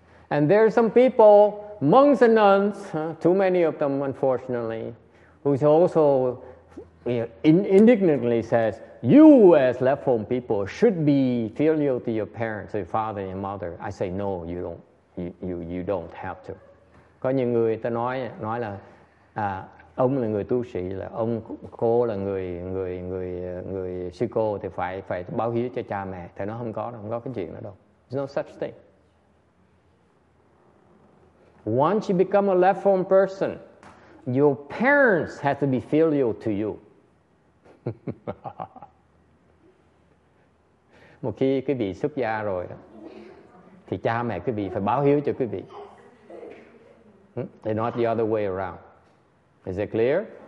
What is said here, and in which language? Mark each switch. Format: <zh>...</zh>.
<en>And there are some people, monks and nuns, too many of them, unfortunately, who's also indignantly says, you as left home people should be filial to your parents, your father and mother. I say, no, you don't. You don't have to.</en> <vi>Có những người ta nói là ông là người tu sĩ, là ông cô là người sư cô thì phải báo hiếu cho cha mẹ. Thì nó không có, không có cái chuyện đó đâu.</vi> <en>There's no such thing. Once you become a left home person, your parents have to be filial to you.</en> <vi>Một khi quý vị xuất gia rồi đó, thì cha mẹ quý vị phải báo hiếu cho quý vị.</vi> <en>And not the other way around. Is it clear?</en>